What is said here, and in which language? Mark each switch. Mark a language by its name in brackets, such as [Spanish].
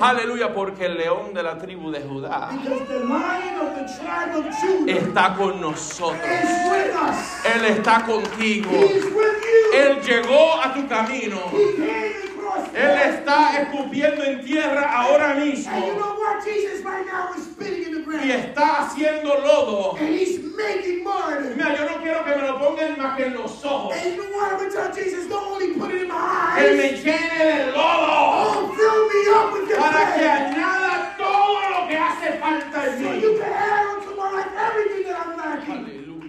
[Spanish] Aleluya, porque el león de la tribu de Judá, [English] because the lion of the tribe of Judah, [Spanish] está con nosotros. [English] Is with us. [Spanish] Él está contigo. [English] He is with you. [Spanish] Él llegó a tu camino. [English] He came across. [Spanish] Él está escupiendo en tierra ahora mismo. [English] And you know what? Jesus right now is spitting in the ground. [Spanish] Y está haciendo lodo. [English] And he's making mud. [Spanish] Mira, yo no quiero que me lo pongan más que en los ojos. [English] And you know what? I'm going to tell Jesus, don't only put it in my eyes. [Spanish] Que me llene de lodo. [English] Oh, fill me up with your [Spanish] para que añada todo lo que hace falta en [English] so [Spanish] mí. [English] So you can add on to my life everything that I'm lacking.